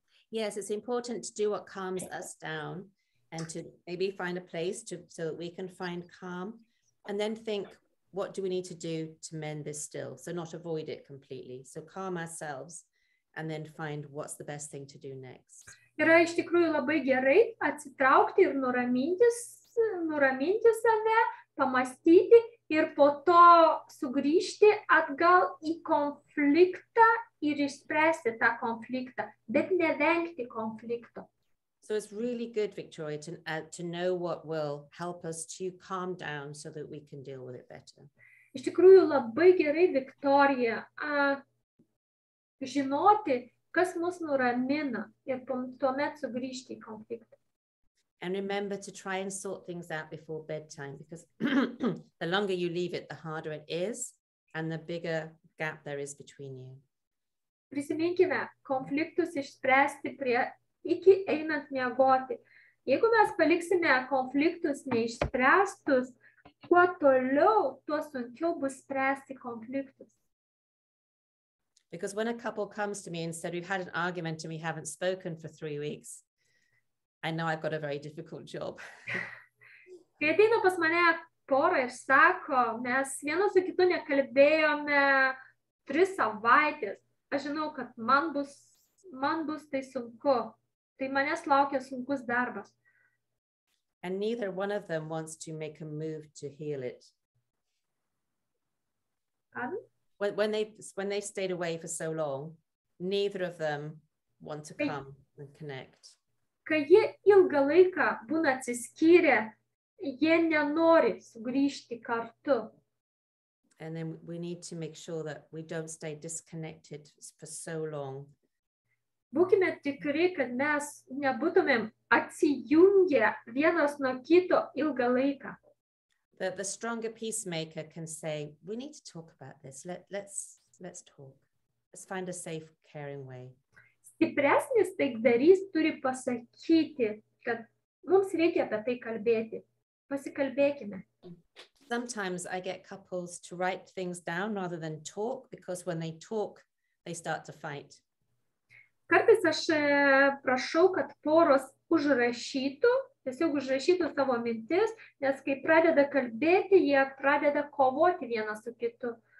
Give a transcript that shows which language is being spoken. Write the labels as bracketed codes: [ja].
[en] Yes, it's important to do what calms us down and to maybe find a place to so that we can find calm. And then think, what do we need to do to mend this still? So not avoid it completely. So calm ourselves and then find what's the best thing to do next. [lt] Yra iš tikrųjų labai gerai atsitraukti ir nuraminti save, pamastyti ir po to sugrįžti atgal į konfliktą ir išspręsti tą konfliktą, bet nevengti konflikto. [en] So it's really good, Victoria, to know what will help us to calm down so that we can deal with it better. [lt] Iš tikrųjų labai gerai, Victoria, žinoti, kas mus nuramina ir tuomet sugrįžti į konfliktą. [en] And remember to try and sort things out before bedtime, because the longer you leave it, the harder it is, and the bigger gap there is between you. [lt] Prisiminkime konfliktus išspręsti prie iki einant miegoti. Jeigu mes paliksime konfliktus neišspręstus, kuo toliau, tuo sunkiau bus spręsti konfliktus. [en] Because when a couple comes to me and said, we've had an argument and we haven't spoken for 3 weeks, I know I've got a very difficult job. [lt] Kai ateina pas mane pora ir sako, mes vienas su kitu nekalbėjome 3 savaitės, aš žinau, kad man bus tai sunku. Tai manęs laukia sunkus darbas. [en] And neither one of them wants to make a move to heal it. Pardon? When they stayed away for so long, neither of them want to come and connect. [lt] Kai jie ilgą laiką būna atsiskyrę, jie nenori sugrįžti kartu. [en] And then we need to make sure that we don't stay disconnected for so long. [lt] Būkime tikri, kad mes nebūtumėm atsijungę vienas nuo kito ilgą laiką. [en] The stronger peacemaker can say, we need to talk about this. Let's talk. Let's find a safe, caring way. [lt] Stipresnis taikdarys turi pasakyti, kad mums reikia apie tai kalbėti. Pasikalbėkime. [en] Sometimes I get couples to write things down rather than talk, because when they talk, they start to fight. [lt] Kartais aš prašau, kad poros užrašytų, tiesiog užrašytų savo mintis, nes kai pradeda kalbėti, jie pradeda kovoti vieną su kitu.